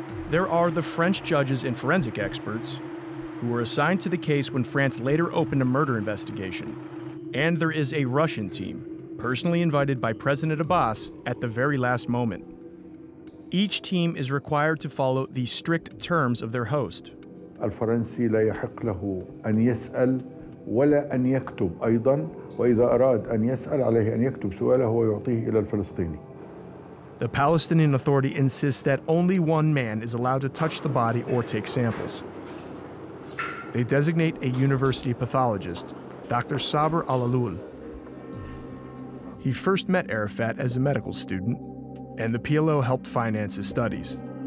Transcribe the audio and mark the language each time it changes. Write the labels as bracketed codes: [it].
[en] There are the French judges and forensic experts who were assigned to the case when France later opened a murder investigation. And there is a Russian team, personally invited by President Abbas at the very last moment. Each team is required to follow the strict terms of their host. [ar] الفرنسي لا يحق له أن يسأل ولا أن يكتب أيضا وإذا أراد أن يسأل عليه أن يكتب سؤاله ويعطيه إلى الفلسطيني. [en] The Palestinian Authority insists that only one man is allowed to touch the body or take samples. They designate a university pathologist, Dr. Saber Alaloul. He first met Arafat as a medical student, and the PLO helped finance his studies.